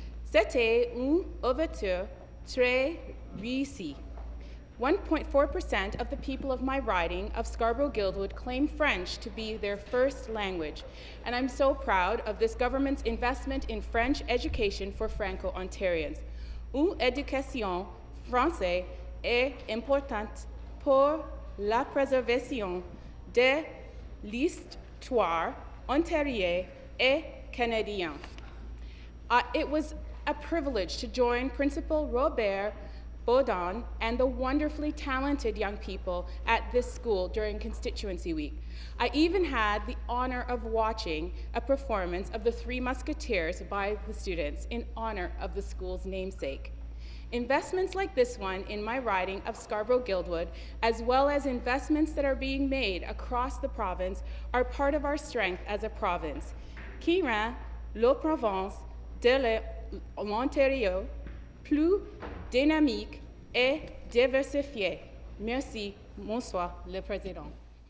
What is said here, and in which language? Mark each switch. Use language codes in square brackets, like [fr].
[fr] C'était une ouverture très réussie. [en] 1.4% of the people of my riding of Scarborough Guildwood claim French to be their first language, and I'm so proud of this government's investment in French education for Franco-Ontarians. [fr] Une éducation française est importante pour la préservation de l'histoire ontarienne et canadienne. [en] It was a privilege to join Principal Robert Baudon and the wonderfully talented young people at this school during Constituency Week. I even had the honor of watching a performance of the Three Musketeers by the students in honor of the school's namesake. Investments like this one in my riding of Scarborough Guildwood, as well as investments that are being made across the province, are part of our strength as a province. [fr] Qui rend la province de l'Ontario plus dynamique et diversifiée. Merci, Monsieur le Président.